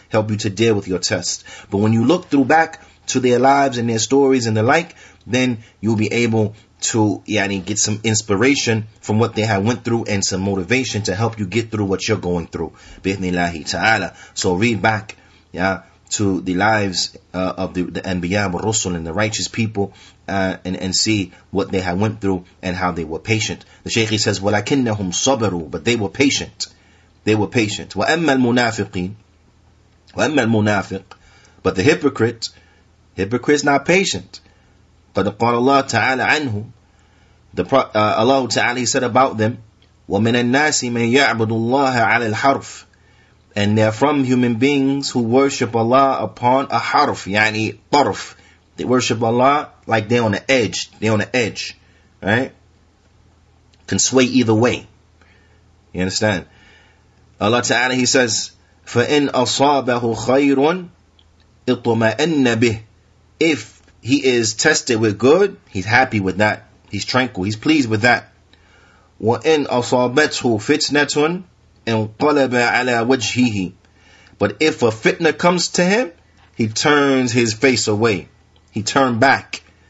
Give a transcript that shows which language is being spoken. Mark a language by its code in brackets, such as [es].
[en] Help you to deal with your test. But when you look through back to their lives and their stories and the like, then you'll be able to get some inspiration from what they have went through and some motivation to help you get through what you're going through. Bi'ithnillahi ta'ala. So read back to the lives of the Anbiya wa Rusul and the righteous people and see what they have went through and how they were patient. The Shaykh, he says, [ar] وَلَكِنَّهُمْ صَبَرُوا, [en] but they were patient. They were patient. [ar] وَأَمَّا الْمُنَافِقِينَ, وَأَمَّا الْمُنَافِقِ, [en] but the hypocrite is not patient. [ar] قَدْ قَالَ اللَّهُ تَعَالَى عَنْهُمْ, [en] Allah Ta'ala said about them, [ar] وَمِنَ النَّاسِ مَنْ يَعْبُدُ اللَّهَ عَلَى الْحَرْفِ. [en] And they are from human beings who worship Allah upon a harf, yani tarf. They worship Allah like they're on the edge. They're on the edge, right? Can sway either way. You understand? Allah Ta'ala, He says, [ar] فَإِنْ أَصَابَهُ خَيْرٌ اِطْمَأَنَّ بِهِ. [en] If he is tested with good, he's happy with that. He's tranquil. He's pleased with that. [ar] وَإِنْ أَصَابَتْهُ فِتْنَةٌ انقلبَ عَلَى وَجْهِهِ. [en] But if a fitna comes to him, he turns his face away. He turned back.